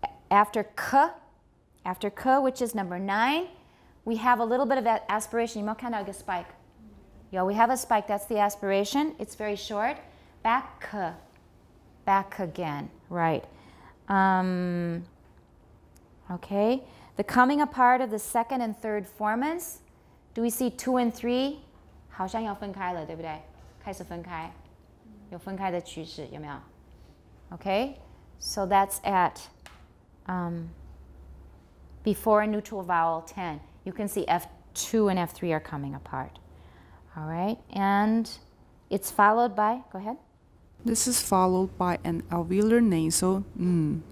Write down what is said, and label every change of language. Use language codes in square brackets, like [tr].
[en] After K, which is number 9, we have a little bit of aspiration. You might kind of like a spike. Yeah, we have a spike. That's the aspiration. It's very short. Back again. Right. Okay. The coming apart of the second and third formants, do we see 2 and 3? [zh] 好像要分开了,对不对? 开始分开,有分开的趋势,有没有? [en] Okay, so that's at before a neutral vowel 10. You can see F2 F2 and F3 are coming apart. All right, and it's followed by, go ahead. This is followed by an alveolar nasal N.